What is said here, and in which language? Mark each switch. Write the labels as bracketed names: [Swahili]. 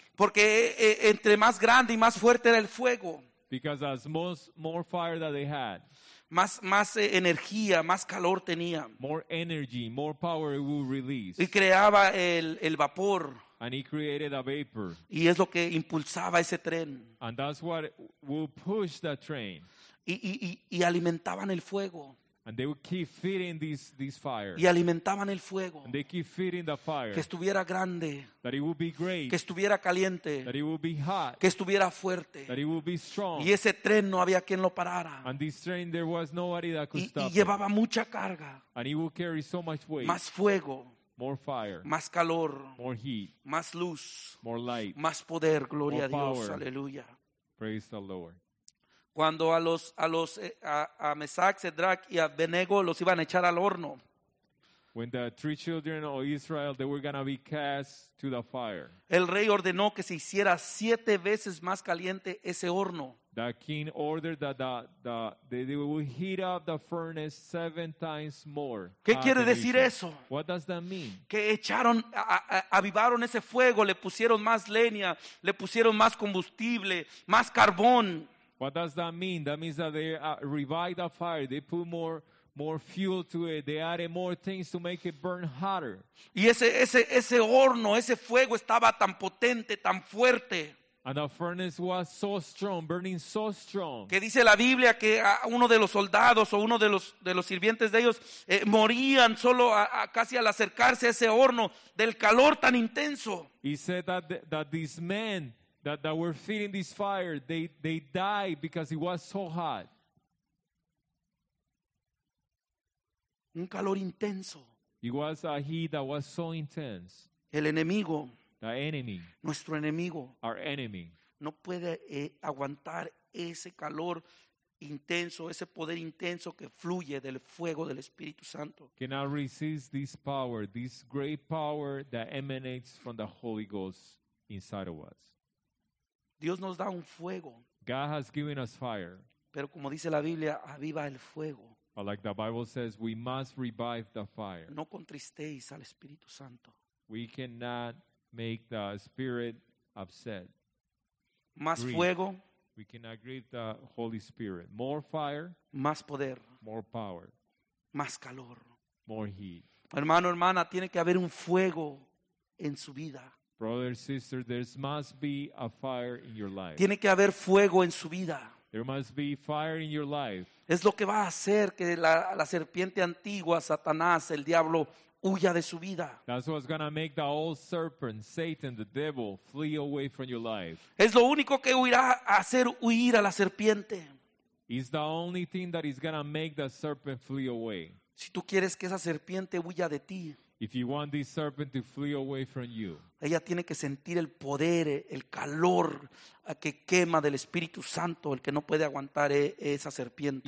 [Spanish] Porque entre más grande y más fuerte era el fuego, [English] because as more fire that they had, [Spanish] más energía, más calor tenía. [English] More energy, more power it will release. [Spanish] Y creaba el vapor. [English] And he created a vapor. [Spanish] Y es lo que impulsaba ese tren. [English] And that's what will push the train. [Spanish] Y alimentaban el fuego. [English] And they would keep feeding this fire. [Spanish] Y alimentaban el fuego. [English] And they keep feeding the fire. [Spanish] Que estuviera grande. [English] That it would be great. [Spanish] Que estuviera caliente. [English] That it would be hot. [Spanish] Que estuviera fuerte. [English] That it would be strong. [Spanish] Y ese tren no había quien lo parara. [English] And this train there was nobody that could stop it. [Spanish] Y llevaba mucha carga. [English] And it would carry so much weight. [Spanish] Más fuego. [English] More fire. [Spanish] Más calor. [English] More heat. [Spanish] Más luz. [English] More light. [Spanish] Más poder, gloria [English] more [Spanish] a Dios. [English] Power. Aleluya. Praise the Lord. [Spanish] Cuando a Mesac, Sedrac y Abednego los iban a echar al horno. [English] When the three children of Israel, they were going to be cast to the fire. [Spanish] El rey ordenó que se hiciera siete veces más caliente ese horno. [English] The king ordered that they would heat up the furnace seven times more. [Spanish] ¿Qué quiere decir eso? [English] What does that mean? [Spanish] Que echaron, avivaron ese fuego, le pusieron más leña, le pusieron más combustible, más carbón. [English] What does that mean? That means that they revived the fire. They put more fuel to it. They added more things to make it burn hotter. [Spanish] Y ese horno, ese fuego estaba tan potente, tan fuerte. [English] And the furnace was so strong, burning so strong. [Spanish] Que dice la Biblia que uno de los soldados o uno de los sirvientes de ellos morían solo casi al acercarse a ese horno del calor tan intenso. [English] He said that this man that were feeding this fire, they died because it was so hot. [Spanish] Un calor intenso. [English] It was a heat that was so intense. [Spanish] El enemigo, [English] the enemy, [Spanish] nuestro enemigo, [English] our enemy, [Spanish] no puede aguantar ese calor intenso, ese poder intenso que fluye del fuego del Espíritu Santo. [English] Cannot resist this power, this great power that emanates from the Holy Ghost inside of us. [Spanish] Dios nos da un fuego. [English] God has given us fire. [Spanish] Pero como dice la Biblia, aviva el fuego. [English] But like the Bible says, we must revive the fire. [Spanish] No contristéis al Espíritu Santo. [English] We cannot make the Spirit upset. [Spanish] Más grieve. Fuego. [English] We cannot grieve the Holy Spirit. More fire. [Spanish] Más poder. [English] More power. [Spanish] Más calor. [English] More heat. [Spanish] Hermano, hermana, tiene que haber un fuego en su vida. [English] Brother, sister, there must be a fire in your life. [Spanish] Tiene que haber fuego en su vida. [English] There must be fire in your life. [Spanish] Es lo que va a hacer que la serpiente antigua, Satanás, el diablo, huya de su vida. [English] That's what's going to make the old serpent, Satan, the devil, flee away from your life. [Spanish] Es lo único que irá a hacer huir a la serpiente. [English] It's the only thing that is going to make the serpent flee away. [Spanish] Si tú quieres que esa serpiente huya de ti, [English] if you want this serpent to flee away from you, [Spanish] ella tiene que sentir el poder, el calor que quema del Espíritu Santo, el que no puede aguantar esa serpiente.